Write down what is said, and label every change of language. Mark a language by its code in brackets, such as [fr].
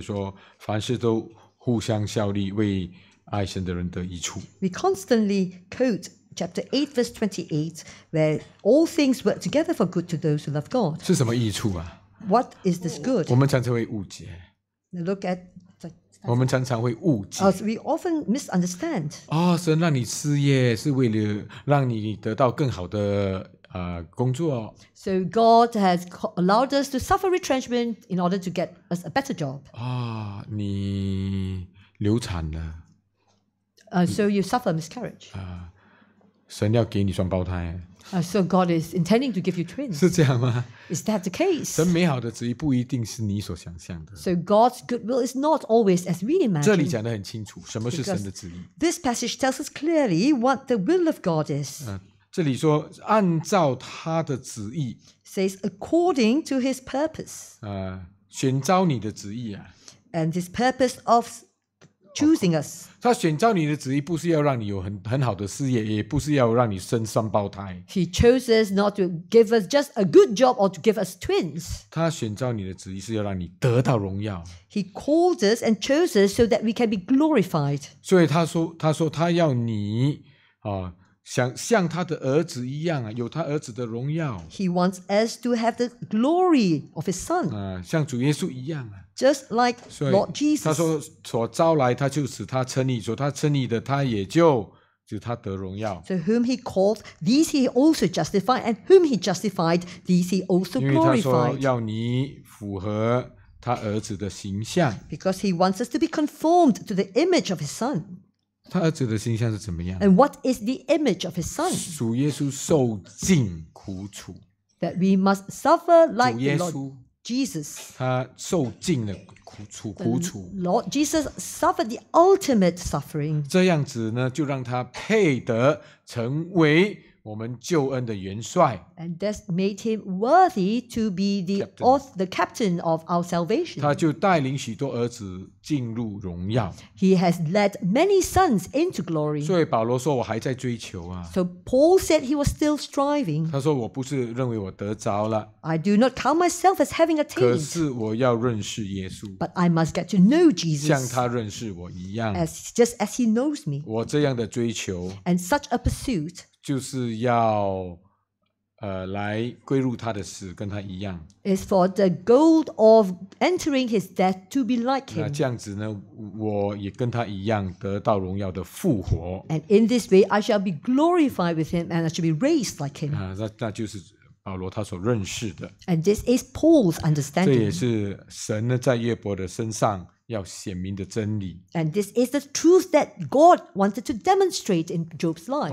[zh] 我们常会用罗马书第八章的28节说，凡事都互相效力为 [en] we constantly quote chapter 8 verse 28, where all things work together for good to those who love God. [zh] 是什么益处啊? [en] What is this good? [zh] 我们常常会误解, [en] look at, [zh] 我们常常会误解, [en] we often misunderstand. [zh] 神让你失业是为了让你得到更好的 工作, [en] so God has allowed us to suffer retrenchment in order to get us a better job. [zh] 你流产了, [en] So you suffer miscarriage. [zh] 神要给你双胞胎。 [en] So God is intending to give you twins. [zh] 是这样吗? [en] Is that the case? [zh] 神美好的旨意不一定是你所想象的。 [en] So God's good will is not always as we imagine. [zh] 这里讲得很清楚,什么是神的旨意? [en] Because this passage tells us clearly what the will of God is. [zh] 这里说按照他的旨意。 [en] Says according to his purpose. [zh] 选召你的旨意啊。 [en] And his purpose of choosing us. [zh] 他选召你的旨意不是要让你有 很好的事业，也不是要让你生双胞胎。 [en] He chose us not to give us just a good job or to give us twins. [zh] 他选召你的旨意是要让你得到荣耀。 [en] He called us and chose us so that we can be glorified. [zh] 所以他说他要你像他的儿子一样有他儿子的荣耀。 [en] He wants us to have the glory of his son. [zh] 像主耶稣一样啊。 [en] Just like Lord Jesus. [zh] 他说所招来他就使他称义，所他称义的他也就使他得荣耀。 [en] So whom he called, these he also justified, and whom he justified, these he also glorified. [zh] 因为他说要你符合他儿子的形象。 [en] Because he wants us to be conformed to the image of his son. [zh] 他儿子的形象是怎么样？ [en] And what is the image of his son? [zh] 主耶稣受尽苦楚。 [en] That we must suffer like the Lord. Jesus, [zh] 他受尽了苦楚。 [en] Lord Jesus suffered the ultimate suffering. [zh] 这样子呢，就让他配得成为我们救恩的元帅。 [en] And that made him worthy to be the captain of our salvation. [zh] 他就带领许多儿子进入荣耀。 [en] He has led many sons into glory. [zh] 所以保罗说我还在追求啊。 [en] So Paul said he was still striving. [zh] 他说我不是认为我得着了。 [en] I do not count myself as having attained. [zh] 可是我要认识耶稣。 [en] But I must get to know Jesus. [zh] 像他认识我一样。 [en] Just as he knows me. [zh] 我这样的追求。 [en] And such a pursuit. [zh] 就是要来归入他的死，跟他一样。 [en] It's for the goal of entering his death to be like him. [zh] 那这样子呢，我也跟他一样得到荣耀的复活。 [en] And in this way, I shall be glorified with him, and I shall be raised like him. [zh] 那就是保罗他所认识的。 [en] And this is Paul's understanding. [zh] 这也是神呢在约伯的身上要显明的真理。 [en] And this is the truth that God wanted to demonstrate in Job's life.